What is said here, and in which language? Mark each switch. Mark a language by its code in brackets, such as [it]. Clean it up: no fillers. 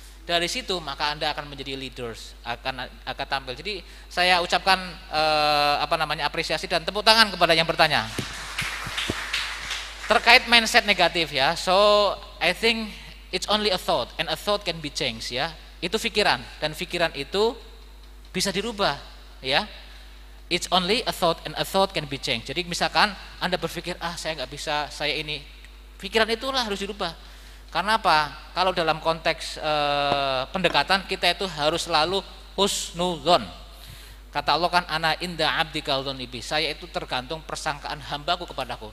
[id] Dari situ maka Anda akan menjadi leaders, akan tampil. Jadi saya ucapkan apresiasi dan tepuk tangan kepada yang bertanya. Terkait mindset negatif ya, [en] so I think it's only a thought and a thought can be changed ya. [id] Itu pikiran dan pikiran itu bisa dirubah ya. [en] It's only a thought and a thought can be changed. [id] Jadi misalkan Anda berpikir ah saya nggak bisa, saya ini, pikiran itulah harus dirubah. Karena apa? Kalau dalam konteks pendekatan kita itu harus selalu husnuzon. Kata Allah kan [ar] ana inda abdika dzunibi, [id] saya itu tergantung persangkaan hambaku kepadaku.